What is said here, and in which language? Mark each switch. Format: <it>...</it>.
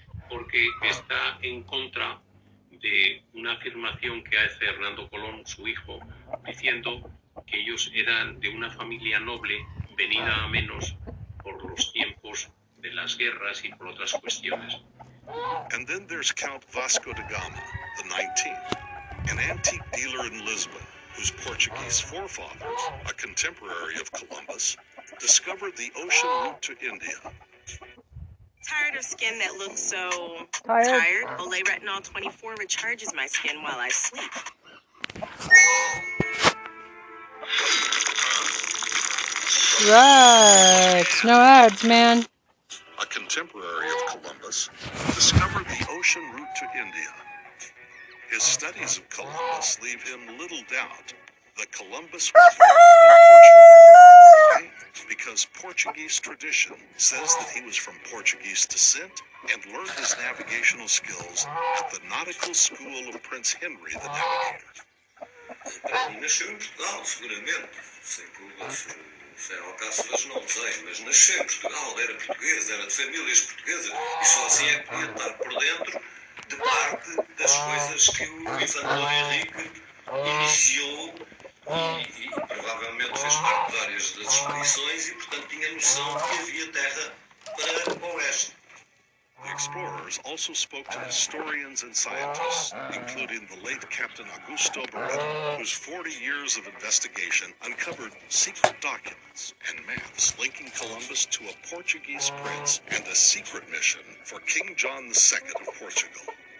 <es>porque está en contra de una afirmación que hace Hernando Colón, su hijo, diciendo que ellos eran de una familia noble venida a menos por los tiempos de las guerras y por otras cuestiones.</es> <en>And then there's Count Vasco da Gama, the 19th, an antique dealer in Lisbon, whose Portuguese forefathers, a contemporary of Columbus, discovered the ocean route to India. Tired of skin that looks so tired? Olay Retinol 24 recharges my skin while I sleep. Right, no ads, man. A contemporary of Columbus discovered the ocean route to India. His studies of Columbus leave him little doubt that Columbus was born in Portugal, because Portuguese tradition says that he was from Portuguese descent and learned his navigational skills at the nautical school of Prince Henry the Navigator.</en> <pt>Era o caso das novas, mas nasceu em Portugal, era português, era de famílias portuguesas, e só assim é que podia estar por dentro de parte das coisas que o Infante Henrique iniciou e provavelmente fez parte de várias das expedições e, portanto, tinha noção que havia terra para o oeste.</pt> <en>The explorers also spoke to historians and scientists, including the late Captain Augusto Barreto, whose 40 years of investigation uncovered secret documents and maps linking Columbus to a Portuguese prince and a secret mission for King John II of Portugal.</en>